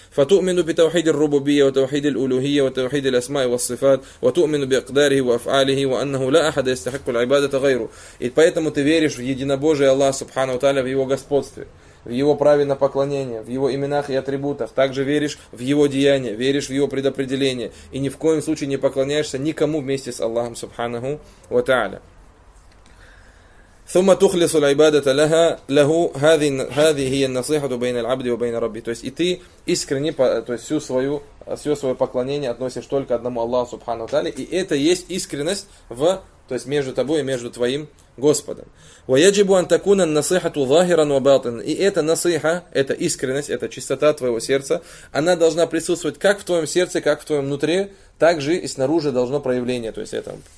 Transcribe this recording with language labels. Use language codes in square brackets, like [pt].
[ar] فَتُؤْمِنُ بِتَوْحِيدِ الرُّبُوبِيَّةِ وَتَوْحِيدِ الْأُلُوهِيَّةِ وَتَوْحِيدِ الْأَسْمَاءِ وَالصِّفَاتِ وَتُؤْمِنُ بِأَقْدَارِهِ وَأَفْعَالِهِ وَأَنَّهُ لَا أَحَدَ يَسْتَحِقُّ الْعِبَادَةَ غَيْرُهُ. [ru] И поэтому ты веришь в единобожие Аллаха Субхана ва Тааля, в его господстве, в его праве на поклонение, в его именах и атрибутах. Также веришь в его деяния, веришь в его предопределение. И ни в коем случае не поклоняешься никому вместе с Аллахом Субханаху ва Та'аля. [ar] ثم تخلص العبادة لها له هذه هي النصيحة بين العبد وبين ربي. [ru] То есть и ты искренне, то есть все свое поклонение относишь только одному Аллаху Субхану ва Та'аля. И это есть искренность в, то есть между тобой и между твоим Господом. [ar] وَيَجِبُ أَن تَكُونَ النَّصِيحَةُ ظَاهِرًا وَبَاطِنًا. [ru] И эта насиха, эта искренность, эта чистота твоего сердца, она должна присутствовать как в твоем сердце, как в твоем внутри, так же и снаружи должно проявление, то есть это.